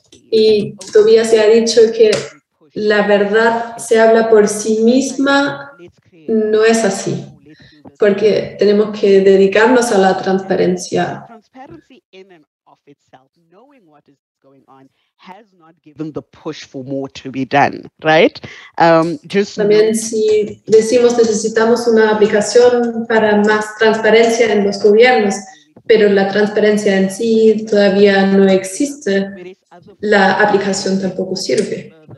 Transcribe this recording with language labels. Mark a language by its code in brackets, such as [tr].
[es] Y Tobias ya ha dicho que la verdad se habla por sí misma, no es así, porque tenemos que dedicarnos a la transparencia. [en] In and off itself, knowing what is going on, has not given the push for more to be done, right? Just [es] también si decimos necesitamos una aplicación para más transparencia en los gobiernos, pero la transparencia en sí todavía no existe, la aplicación tampoco sirve.